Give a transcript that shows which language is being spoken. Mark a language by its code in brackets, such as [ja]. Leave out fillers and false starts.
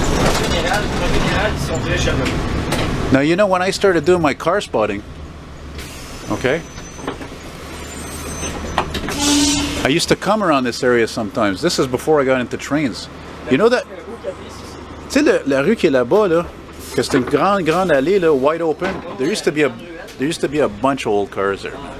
[fr] En général, ils sont très jaloux. [en] Now, you know, when I started doing my car spotting, okay? I used to come around this area sometimes. This is before I got into trains. You know that... [fr] Tu sais, la rue qui est là-bas, là, que c'est une grande allée, là, [en] wide open. There used to be a bunch of old cars there.